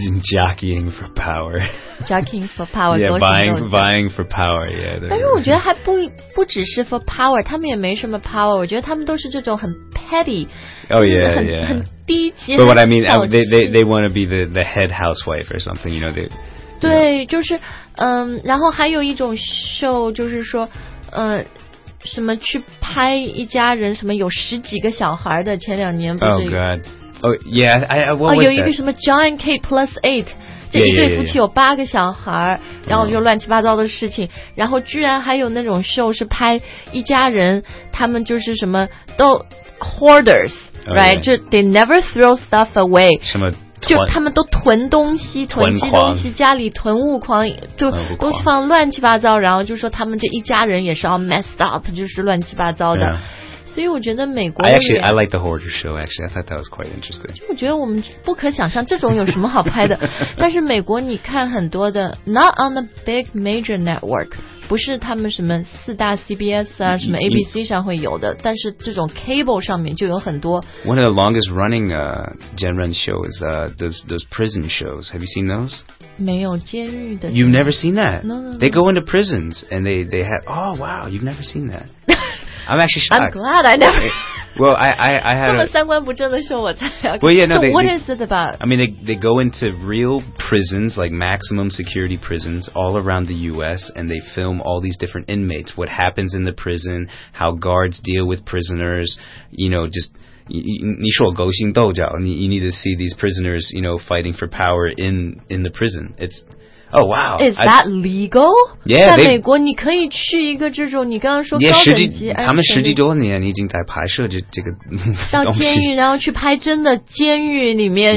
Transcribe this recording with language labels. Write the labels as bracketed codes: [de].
[en] jockeying for power jockeying for power yeah, vying for power yeah, [zh] 但是我觉得还不只是 [en] for power [zh] 他们也没什么 power 我觉得他们都是这种很 petty [en] But what I mean, they want to be the head housewife or something, you know. They, [zh] 对， [en] you know. [zh] 就是，然后还有一种秀，就是说，什么去拍一家人，什么有十几个小孩的，前两年不是 [en] ？Oh God! Oh yeah, what was [zh] 有一个什么 John K plus eight。这一对夫妻有八个小孩 然后又乱七八糟的事情、然后居然还有那种秀是拍一家人他们就是什么都 hoarders、right 就 [en] they never throw stuff away [zh] 什么就他们都囤东西囤积东西家里囤物狂就东西放乱七八糟然后就说他们这一家人也是 [en] all messed up [zh] 就是乱七八糟的、所以我觉得美国 [en] I like the horror show actually I thought that was quite interesting [zh] 我觉得我们不可想象这种有什么好拍的但是美国你看很多的 [en] not on the big major network [zh] 不是他们什么四大 CBS 啊什么 ABC 上会有的但是这种 cable 上面就有很多 [en] one of the longest running genre show is those prison shows have you seen those [zh] 没有监狱的 [en] you've never seen that no. they go into prisons and they have oh wow you've never seen thatI'm actually shocked. I'm glad I never... Well, I had... [zh] 这么三观不正的秀我才要 [en] Well, yeah, no, so they... So what is it about? I mean, they go into real prisons, like maximum security prisons all around the U.S., and they film all these different inmates, what happens in the prison, how guards deal with prisoners, you know, just... [zh] 你说勾心斗角 [en] you need to see these prisoners, you know, fighting for power in the prison. It's... Oh, wow. Is that legal? Yeah, [zh] 在美国你可以去一个这种你刚刚说高等级 [en] yeah, [zh] 他们十几多年已经在拍摄这个到监狱然后去拍真的监狱里面